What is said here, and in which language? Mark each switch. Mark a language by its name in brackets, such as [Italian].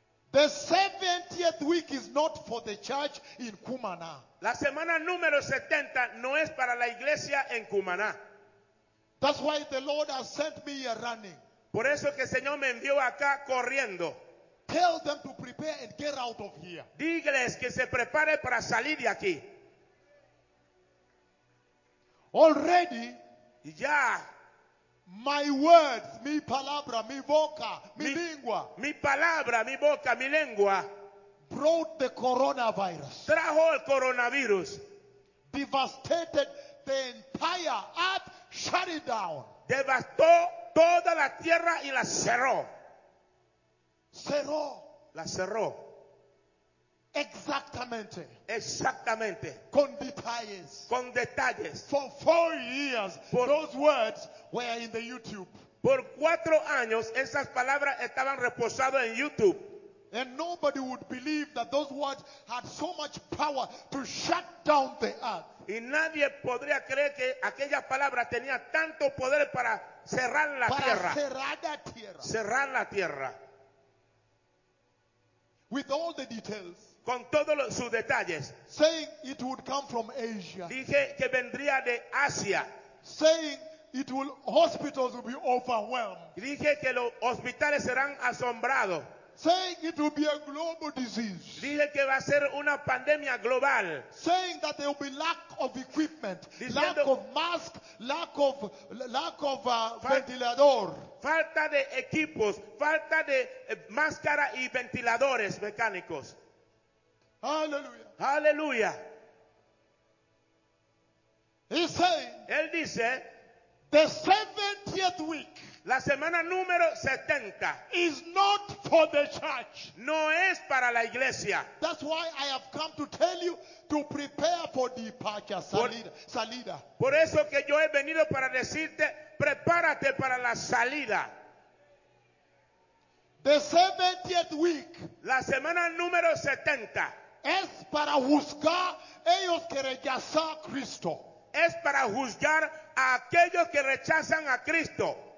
[English] The 70th week is not for the church in Cumaná. [Spanish] La semana número 70 no es para la iglesia en Cumaná. [English] That's why the Lord has sent me here running. [Spanish] Por eso que el Señor me envió acá corriendo. [English] Tell them to prepare and get out of here. [Spanish] Dígales que se prepare para salir de aquí. [English] Already, [Spanish] ya. [English] My words, [Spanish] mi palabra, mi boca, mi lengua. Mi palabra, mi boca, mi lengua. [English] Brought the coronavirus. [Spanish] Trajo el coronavirus. [English] Devastated the entire earth, shut it down. [Spanish] Devastó toda la tierra y la cerró. Cerró. La cerró. Exactamente. Exactamente. Con detalles. Con detalles. [English] For 4 years, those words were in the YouTube. [Spanish] Por 4 años, esas palabras estaban reposadas en YouTube. [English] And nobody would believe that those words had so much power to shut down the earth. [Spanish] Y nadie podría creer que aquella palabra tenía tanto poder para cerrar la tierra. Cerrar la tierra. [English] With all the details. [Spanish] Con todos sus detalles. [English] Saying it would come from Asia. [Spanish] Dije que vendría de Asia. [English] Saying it will hospitals will be overwhelmed. [Spanish] Dije que los hospitales serán asombrados. [English] Saying it will be a global disease. [Spanish] Dije que va a ser una pandemia global. [English] Saying that there will be lack of equipment, [Spanish] diciendo, [English] lack of mask, lack of ventilador. [Spanish] Falta de equipos, falta de máscara y ventiladores mecánicos. [English] Hallelujah. Hallelujah. He's saying. [Spanish] Él dice. [English] The 70th week. [Spanish] La semana número 70 [English] is not for the church. [Spanish] No es para la iglesia. [English] That's why I have come to tell you to prepare for departure, salida. [Spanish] Por eso que yo he venido para decirte, prepárate para la salida. [English] The 70th week. [Spanish] La semana número 70 es para juzgar ellos que rechazan a Cristo. Es para juzgar a aquellos que rechazan a Cristo.